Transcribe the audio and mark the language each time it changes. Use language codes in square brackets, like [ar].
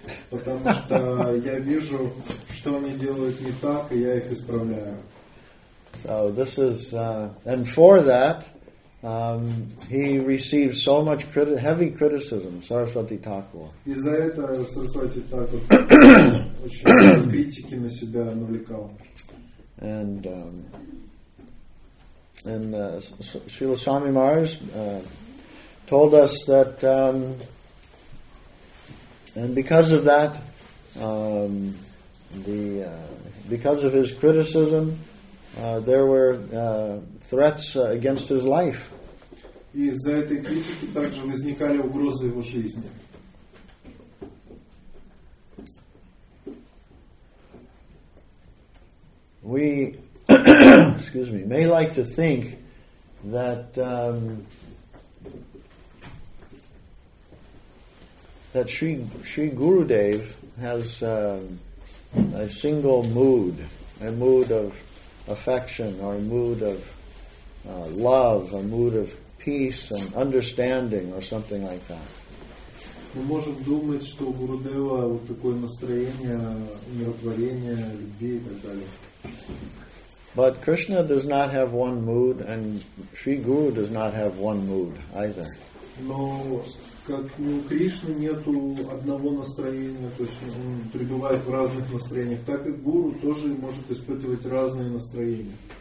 [ru] Потому что я вижу, что они делают не так, и я их исправляю. [en] So this is, and for that, he received so much heavy criticism, Saraswati Thakur. [ru] Из-за этого Сарасвати Тхакур очень критики на себя навлекал. [en] And Srila Swami Maharaj told us that, and because of that, because of his criticism, there were threats against his life. [ru] И из-за этой критики также возникали угрозы его жизни. [en] We, excuse me, may like to think that that Sri Gurudev has a single mood, a mood of affection, or a mood of love, a mood of peace and understanding, or something like that. [ru] Мы можем думать, что у Гурудева вот такое настроение умиротворения, любви и так далее. [en] But Krishna does not have one mood, and Sri Guru does not have one mood either. [ru] Но как у Кришны нету одного настроения, то есть он пребывает в разных настроениях, так и Гуру тоже может испытывать разные настроения.